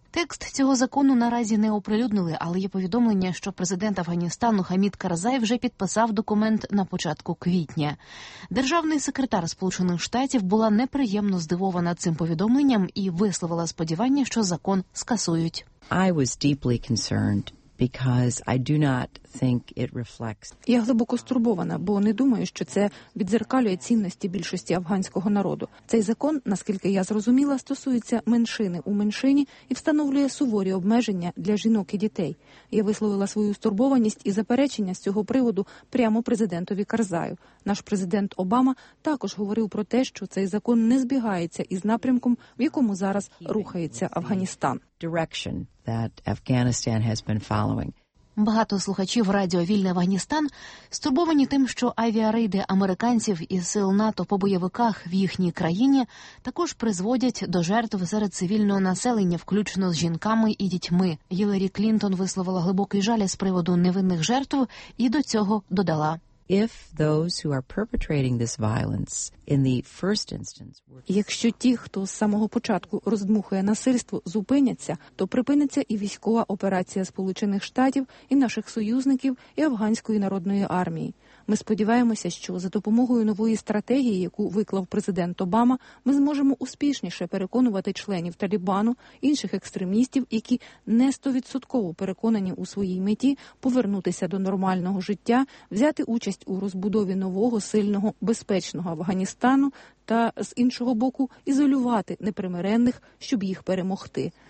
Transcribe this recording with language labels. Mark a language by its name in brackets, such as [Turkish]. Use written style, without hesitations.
[Ukrainian] Текст цього закону наразі не оприлюднили, але є повідомлення, що президент Афганістану Хамід Карзай вже підписав документ на початку квітня. Державний секретар Сполучених Штатів була неприємно здивована цим повідомленням і висловила сподівання, що закон скасують. [English] I was deeply concerned. Because I do not think it reflects. [Ukrainian] Я глибоко стурбована, бо не думаю, що це відзеркалює цінності більшості афганського народу. Цей закон, наскільки я зрозуміла, стосується меншини у меншині і встановлює суворі обмеження для жінок і дітей. Я висловила свою стурбованість і заперечення з цього приводу прямо президентові Карзаю. Наш президент Обама також говорив про те, що цей закон не збігається із напрямком, в якому зараз рухається Афганістан. [English] Direction that Afghanistan has been following. [Ukrainian] Багато слухачів радіо «Вільний Афганістан» стурбовані тим, що авіарейди американців і сил НАТО по бойовиках в їхній країні також призводять до жертв серед цивільного населення, включно з жінками і дітьми. Гіларі Клінтон висловила глибокий жаль з приводу невинних жертв і до цього додала. [English] If those who are perpetrating this violence in the first instance were... [Ukrainian] Якщо ті, хто з самого початку роздмухує насильство, зупиняться, то припиниться і військова операція Сполучених Штатів, і наших союзників, і Афганської народної армії. Ми сподіваємося, що за допомогою нової стратегії, яку виклав президент Обама, ми зможемо успішніше переконувати членів Талібану, інших екстремістів, які не 100% переконані у своїй меті повернутися до нормального життя, взяти участь у розбудові нового, сильного, безпечного Афганістану та, з іншого боку, ізолювати непримиренних, щоб їх перемогти.